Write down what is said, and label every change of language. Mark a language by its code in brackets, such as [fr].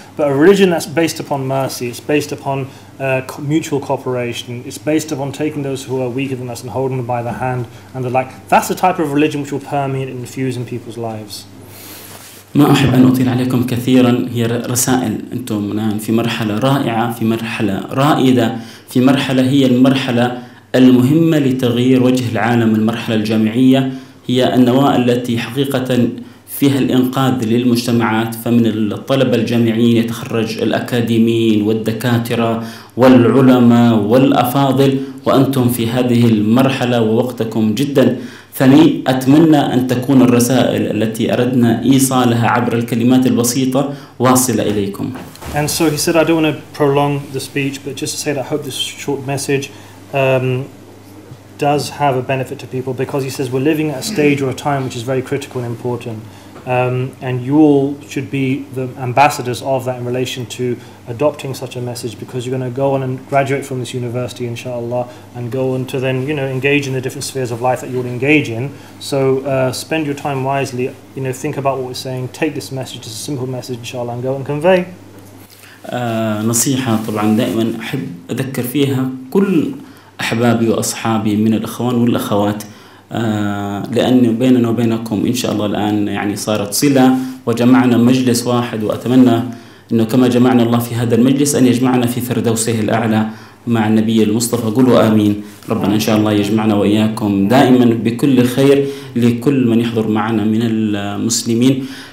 [en] But a religion that's based upon mercy, it's based upon mutual cooperation, it's based upon taking those who are weaker than us and holding them by the hand and the like, that's the type of religion which will permeate and infuse in people's lives. [ar] ما أحب أن أطيل عليكم كثيرا هي رسائل أنتم الآن في مرحلة رائعة في مرحلة رائدة في مرحلة هي المرحلة المهمة لتغيير وجه العالم المرحلة الجامعية هي النواة التي حقيقة فيها الإنقاذ للمجتمعات فمن الطلبة الجامعيين يتخرج الأكاديميين والدكاترة والعلماء والأفاضل وأنتم في هذه المرحلة ووقتكم جدا ثني أتمنى أن تكون الرسائل التي أردنا إيصالها عبر الكلمات البسيطة واصلة إليكم. [en] And so he said, I don't want to prolong the speech, but just to say that I hope this short message does have a benefit to people, because he says we're living at a stage or a time which is very critical and important, and you all should be the ambassadors of that in relation to adopting such a message, because you're going to go on and graduate from this university inshallah and go on to then, you know, engage in the different spheres of life that you'll engage in. So spend your time wisely, you know, think about what we're saying, take this message, it's a simple message inshallah, and go and convey. [ar] نصيحة طبعا دائما أحب أذكر فيها كل أحبابي وأصحابي من الأخوان والأخوات لأن بيننا وبينكم إن شاء الله الآن يعني صارت صلة وجمعنا مجلس واحد وأتمنى أنه كما جمعنا الله في هذا المجلس أن يجمعنا في فردوسه الأعلى مع النبي المصطفى قولوا آمين ربنا إن شاء الله يجمعنا وإياكم دائما بكل خير لكل من يحضر معنا من المسلمين